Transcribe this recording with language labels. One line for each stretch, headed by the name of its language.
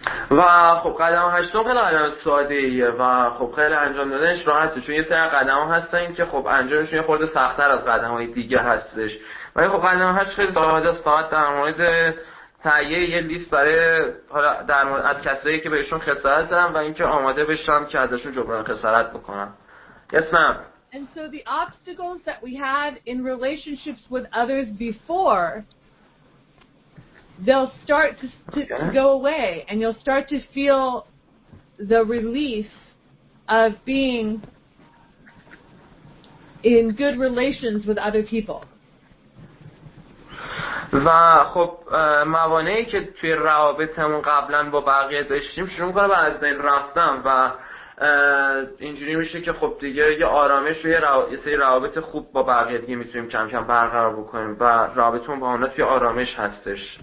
Persian: و خب قدم هشتم خیلی قدم ساده‌ایه و خب خیلی انجام دادنش راحته، چون یه سری قدم هستن که خب انجامشون یه خورده سخت‌تر از قدم های دیگه هستش، ولی خب قدم هشت خیلی ساده است. فقط در مورد تهیه یه لیست برای حالا در مورد از کسایی که بهشون خسارت دادم و اینکه آماده بشم که ازشون جبران خسارت بکنم.
English: Yes ma'am. And And so the obstacles that we had in relationships with others before, they'll start to go away, and you'll start to feel the relief of being in good relations with other people.
Persian: و خب موانعی که توی روابطمون قبلا با بقیه داشتیم شروع کنه از بین رفتن و اینجوری میشه که خب دیگه یه آرامش و یه روابط خوب با بقیه دیگه میتونیم کم کم برقرار بکنیم و رابطمون با اونا توی آرامش هستش.